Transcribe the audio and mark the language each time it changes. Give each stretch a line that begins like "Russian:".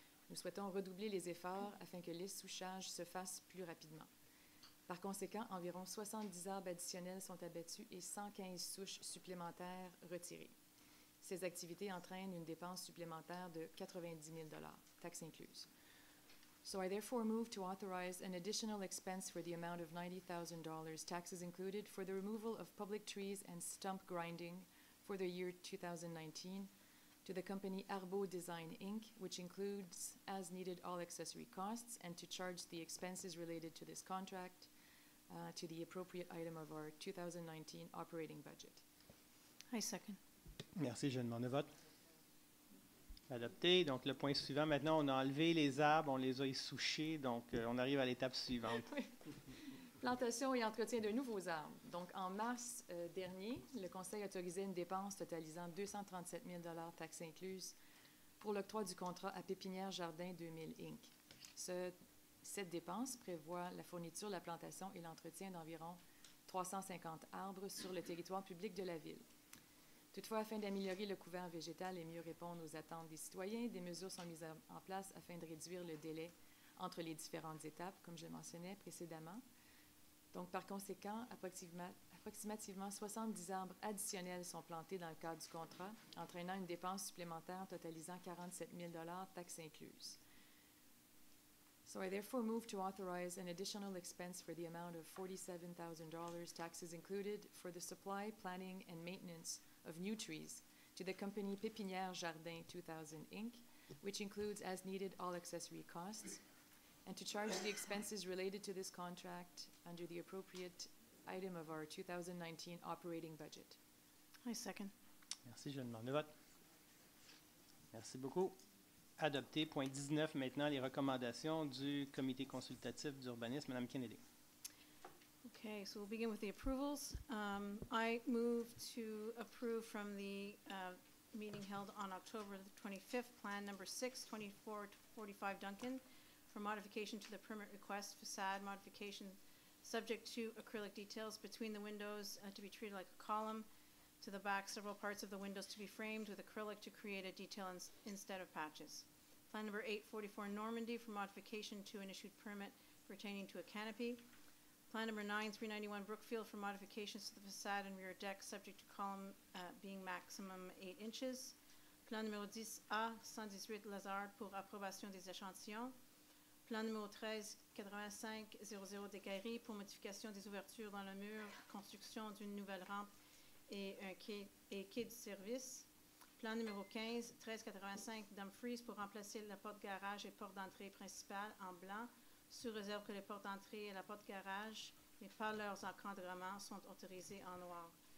French: Nous souhaitons redoubler les efforts afin que l'essouchage se fasse plus rapidement. Par conséquent, environ 70 arbres additionnels sont abattus et 115 souches supplémentaires retirées. Ces activités entraînent une dépense supplémentaire de $90,000, taxes incluses.
English: So I therefore move to authorize an additional expense for the amount of $90,000, taxes included, for the removal of public trees and stump grinding for the year 2019 to the company Arbo Design Inc., which includes as needed all accessory costs, and to charge the expenses related to this contract to the appropriate item of our 2019 operating budget. I second.
French: Merci, je demande le vote. Adopté. Donc, le point suivant, maintenant, on a enlevé les arbres, on les a essouchés, donc on arrive à l'étape suivante. Oui. plantation et entretien de nouveaux arbres. Donc, en mars dernier, le conseil a autorisé une dépense totalisant 237 000 $ taxes incluses pour l'octroi du contrat à Pépinière Jardin 2000 Inc. Cette dépense prévoit la fourniture, la plantation et l'entretien d'environ 350 arbres sur le territoire public de la ville. Toutefois, afin d'améliorer le couvert végétal et mieux répondre aux attentes des citoyens, des mesures sont mises en place afin de réduire le délai entre les différentes étapes, comme je mentionnais précédemment. Donc, par conséquent, approximativement 70 arbres additionnels sont plantés dans le cadre du contrat, entraînant une dépense supplémentaire totalisant 47 000 $ taxes incluses.
English: So I therefore move to authorize an additional expense for the amount of $47,000 taxes included for the supply, planting, and maintenance of new trees to the company Pépinière Jardin 2000 Inc., which includes as needed all accessory costs, and to charge the expenses related to this contract under the appropriate item of our 2019 operating budget. I second.
French: Merci, je demande le vote. Merci beaucoup. Adopté. Point 19, maintenant, les recommandations du comité consultatif d'urbanisme. Madame Kennedy.
English: Okay, so we'll begin with the approvals. I move to approve from the meeting held on October the 25th, plan number 6-24-45 Duncan, for modification to the permit request, facade modification subject to acrylic details between the windows to be treated like a column, to the back several parts of the windows to be framed with acrylic to create a detail instead of patches. Plan number 844 Normandy for modification to an issued permit pertaining to a canopy. Plan number 9391 Brookfield for modifications to the facade and rear deck subject to column being maximum 8 inches.
French: Plan numéro 10A 118 Lazard pour approbation des échantillons. Plan numéro 13-8500 des Guéris pour modification des ouvertures dans le mur, construction d'une nouvelle rampe et un quai de service. Plan numéro 15-1385 Dumfries pour remplacer la porte garage et porte d'entrée principale en blanc, sous réserve que les portes d'entrée et la porte garage, mais pas leurs encadrements, sont autorisés en noir.